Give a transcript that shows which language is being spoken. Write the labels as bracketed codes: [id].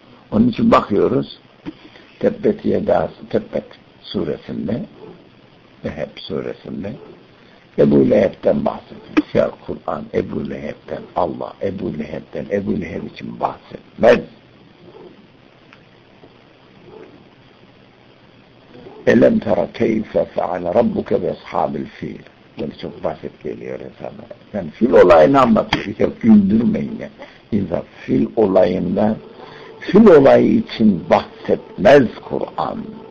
[tr] Onun için bakıyoruz Tebbet Yeda Tebbet suresinde Leheb suresinde Ebu Leheb'den bahsediyor. Ya Kur'an Ebu Leheb'den Allah Ebu Leheb'den Ebu Leheb için bahsetmez. [ar] اَلَمْ تَرَ كَيْفَ فَعَلَ رَبُّكَ بِاَصْحَابِ الْف۪يلِ [tr] Yani çok basit geliyor insana. Yani fil olayını anlatıyor. Ya güldürmeyin ya. İnsan fil olayında, fil olayı için bahsetmez Kur'an.